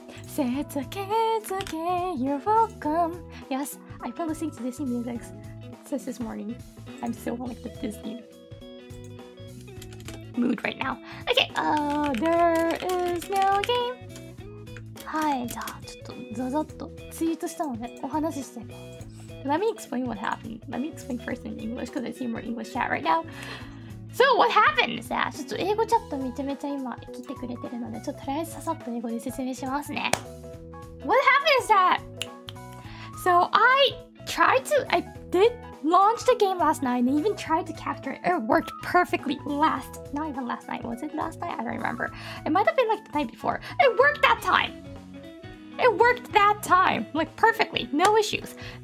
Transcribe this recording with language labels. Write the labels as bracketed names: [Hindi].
[English] Setsuke, you're welcome. Yes, I've been listening to Disney music since this morning. I'm still on like the Disney mood right now. Okay, there is no game. [Japanese] Hi, じゃあちょっとザザッとツイートしたのでお話しして。 [English] Let me explain what happened. Let me explain first in English because I see more English chat right now. So what happened is that? [Japanese] ちょっと英語チャットめちゃめちゃ今来てくれてるので、ちょっととりあえずささっと英語で説明しますね。 [English] What happened is that? So I did launch the game last night and even tried to capture it. It worked perfectly last, not even last night. Was it last night? I don't remember. It might have been like the night before. It worked that time. It worked that time. Like perfectly. No issues.